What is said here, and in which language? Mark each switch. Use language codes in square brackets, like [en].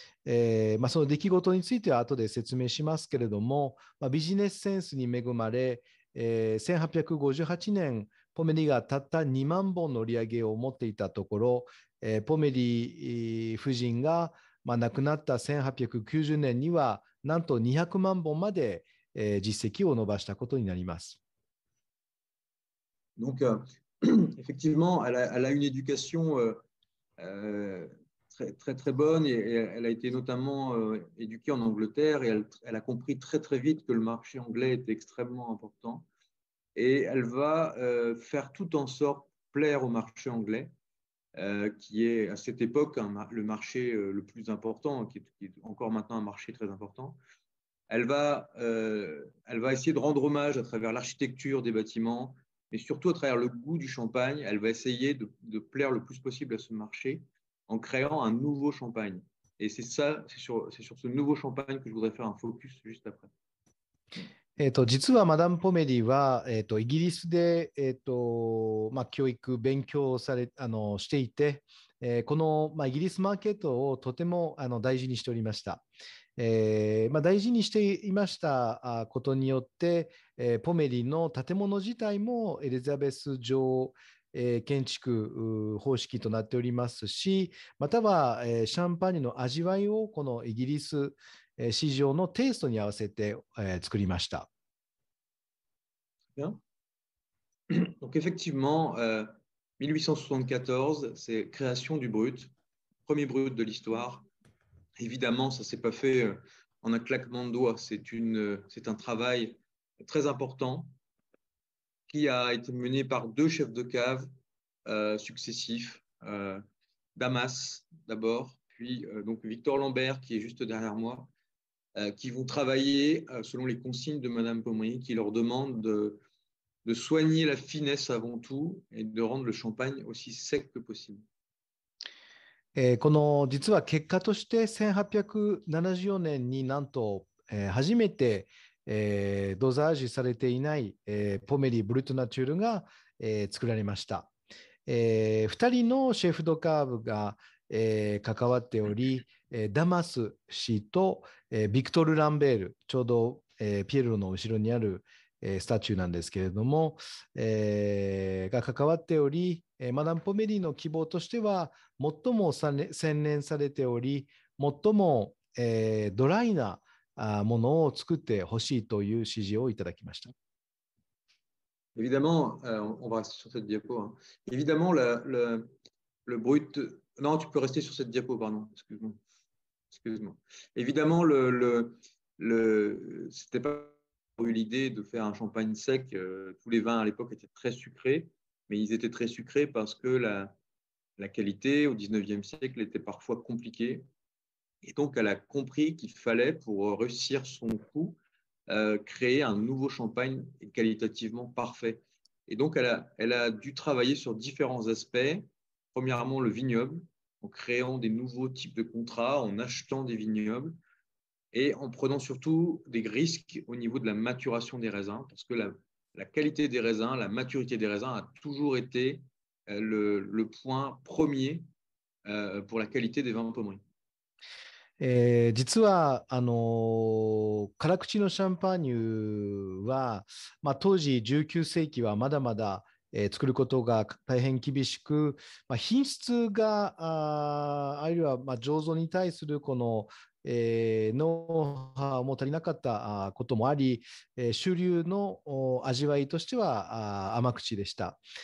[ja] その出来事については後で説明しますけれども、ビジネスセンスに恵まれ、1858年、ポメリーがたった2万本の売上を持っていたところ、ポメリー夫人が、亡くなった1890年にはなんと200万本まで、実績を伸ばしたことになります。 [fr] Donc, effectivement, elle a une éducation très, très, très bonne et elle a été notamment éduquée en Angleterre et elle a compris très, très vite que le marché anglais était extrêmement important. Et elle va faire tout en sorte de plaire au marché anglais, qui est à cette époque le marché le plus important, qui est encore maintenant un marché très important. Elle va essayer de rendre hommage à travers l'architecture des bâtiments, mais surtout à travers le goût du champagne. Elle va essayer de plaire le plus possible à ce marché en créant un nouveau champagne. Et c'est ça, c'est sur ce nouveau champagne que je voudrais faire un focus juste après. [ja] 実はマダム・ポメリーは、イギリスで、教育勉強をされしていて、この、イギリスマーケットをとても大事にしておりました。大事にしていましたことによって、ポメリーの建物自体もエリザベス女王、建築方式となっておりますし、または、シャンパーニュの味わいをこのイギリス市場のテイストに合わせて、作りました。 [fr] Bien. Donc effectivement, 1874, c'est création du brut, premier brut de l'histoire. Évidemment, ça ne s'est pas fait en un claquement de doigts. C'est un travail très important qui a été mené par deux chefs de cave successifs, Damas d'abord, puis donc Victor Lambert qui est juste derrière moi, qui vont travailler selon les consignes de Madame Pommery, qui leur demande de soigner la finesse avant tout et de rendre le champagne aussi sec que possible. [ja] この実は結果として1874年になんと、初めて、ドザージュされていない、ポメリブルトナチュールが、作られました、2人のシェフドカーブが、関わっており、ダマス氏と、ビクトル・ランベールちょうど、ピエロの後ろにある、スタチューなんですけれども、が関わっておりマダムポメリーの希望としては最も洗練されており最も、ドライなものを作ってほしいという指示をいただきました。 [fr] Évidemment, on va rester sur cette diapo. Évidemment, le brut. Non, tu peux rester sur cette diapo, pardon. Excuse-moi. Évidemment, le c'était pas eu l'idée de faire un champagne sec. Tous les vins à l'époque étaient très sucrés. Mais ils étaient très sucrés parce que la qualité au 19e siècle était parfois compliquée. Et donc, elle a compris qu'il fallait, pour réussir son coup, créer un nouveau champagne qualitativement parfait. Et donc, elle a dû travailler sur différents aspects. Premièrement, le vignoble, en créant des nouveaux types de contrats, en achetant des vignobles et en prenant surtout des risques au niveau de la maturation des raisins, parce que la qualité des raisins, la maturité des raisins a toujours été le point premier pour la qualité des vins pommery. [ja] 実は辛口のシャンパーニュは、まあ、当時19世紀はまだまだ、作ることが大変厳しく、まあ、品質が あるいは、まあ、醸造に対するこのノウハウも足りなかったこともあり、主流の味わいとしては甘口でした。